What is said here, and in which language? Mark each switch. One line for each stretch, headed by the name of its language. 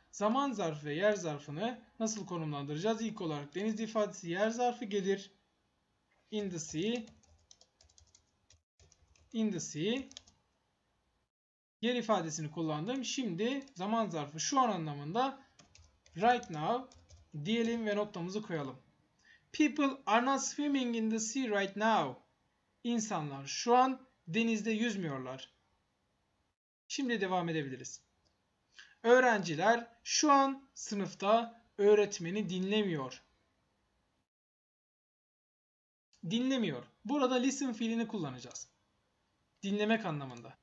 Turkish: Zaman zarfı ve yer zarfını nasıl konumlandıracağız? İlk olarak denizde ifadesi yer zarfı gelir.
English: In the sea. In the sea.
Turkish: Yer ifadesini kullandım. Şimdi zaman zarfı şu an anlamında right now diyelim ve noktamızı koyalım.
English: People are not swimming in the sea right now.
Turkish: İnsanlar şu an denizde yüzmüyorlar. Şimdi devam edebiliriz. Öğrenciler şu an sınıfta öğretmeni dinlemiyor. Dinlemiyor. Burada listen fiilini kullanacağız. Dinlemek anlamında.